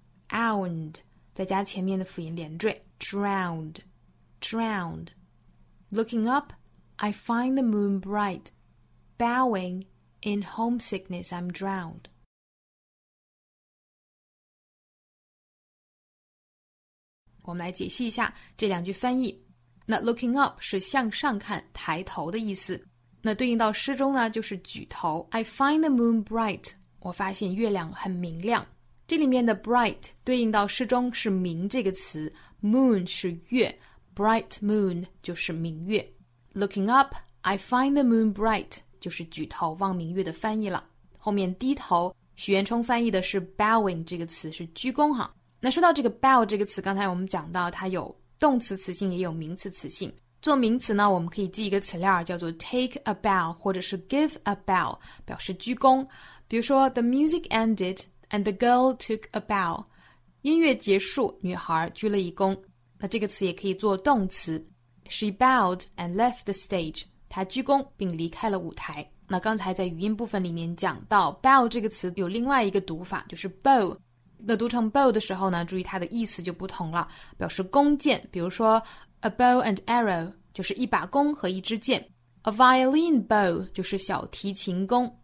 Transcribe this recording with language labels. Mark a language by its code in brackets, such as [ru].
[zh] Owned 再加前面的辅音连缀。 [en] Drowned. Looking up, I find the moon bright. Bowing, in homesickness, I'm drowned. [zh] 我们来解析一下这两句翻译。那 [en] looking up [zh] 是向上看、抬头的意思。那对应到诗中呢，就是举头。 [en] I find the moon bright. [zh] 我发现月亮很明亮。这里面的 bright 对应到诗中是明这个词。 Moon 是月 ， [en] bright moon [zh] 就是明月。 [en] Looking up, I find the moon bright [zh] 就是举头望明月的翻译了。后面低头，许元冲翻译的是 bowing 这个词是鞠躬哈。那说到这个 bow 这个词，刚才我们讲到它有动词词性，也有名词词性。做名词呢，我们可以记一个词链，叫做 [en] take a bow [zh] 或者是 [en] give a bow， [zh] 表示鞠躬。比如说 [en] ，the music ended and the girl took a bow， [zh] 音乐结束，女孩鞠了一躬。那这个词也可以做动词 ， [en] she bowed and left the stage， [zh] 她鞠躬并离开了舞台。那刚才在语音部分里面讲到 bow 这个词有另外一个读法，就是 bow。那读成 bow 的时候呢，注意它的意思就不同了，表示弓箭，比如说 [en] a bow and arrow [zh] 就是一把弓和一支箭， [en] a violin bow [zh] 就是小提琴弓。